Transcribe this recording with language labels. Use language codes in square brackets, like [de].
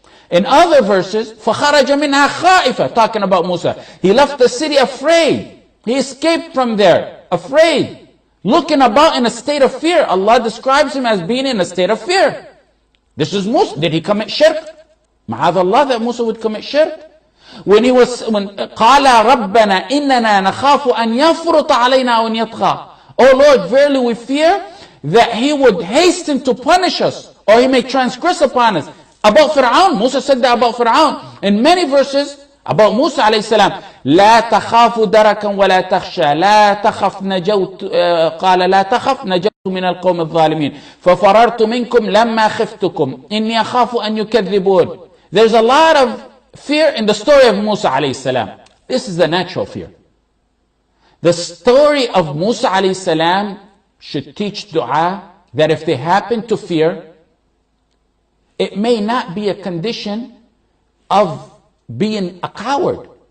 [en] In other verses, [ar] فَخَرَجَ مِنْهَا خَائِفًا. [en] Talking about Musa. He left the city afraid. He escaped from there, afraid. Looking about in a state of fear. Allah describes him as being in a state of fear. This is Musa. Did he commit shirk? Ma'ad Allah that Musa would commit shirk. When [ar] قَالَ رَبَّنَا إِنَّنَا نَخَافُ أَنْ يَفْرُطَ عَلَيْنَا أَوْ يَطْغَى. [en] Oh Lord, verily we fear that he would hasten to punish us, or he may transgress upon us. About Fir'aun, Musa said that about Fir'aun. In many verses about Musa alayhi salam, [ar] لَا تَخَافُ دَرَكًا وَلَا تَخْشَى لَا تَخَفْ نَجَوْتُ قَالَ لَا تَخَفْ نَجَوْتُ مِنَ الْقَوْمِ الظَّالِمِينَ فَفَرَرْتُ مِنْكُمْ لَمَّا خِفْتُكُمْ إِنِّي أَخَافُ أَنْ يُكَذِّبُونَ. [en] There's a lot of fear in the story of Musa alayhi salam. This is the natural fear. The story of Musa alayhi salam should teach dua that if they happen to fear, it may not be a condition of being a coward.